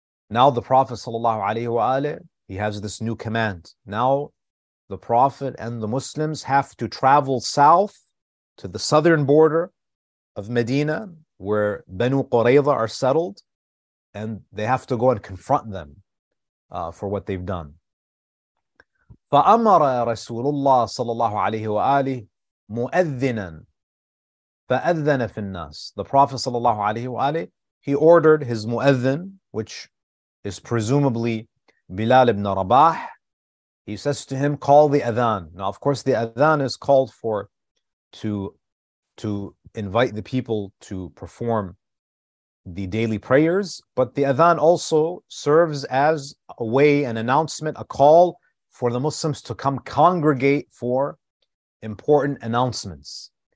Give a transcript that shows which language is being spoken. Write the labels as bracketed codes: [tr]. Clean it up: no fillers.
[en] Now the Prophet sallallahu alaihi wa alihi, he has this new command. Now the Prophet and the Muslims have to travel south to the southern border of Medina, where Banu Qurayza are settled, and they have to go and confront them for what they've done. [ar] فأمر رسول الله صلى الله عليه وآله مؤذنا فأذن في الناس. [en] The Prophet [ar] صلى الله عليه وآله, [en] he ordered his مؤذن, which is presumably Bilal ibn Rabah. He says to him, call the adhan. Now of course the adhan is called for to invite the people to perform the daily prayers, but the adhan also serves as a way, an announcement, a call for the Muslims to come congregate for important announcements.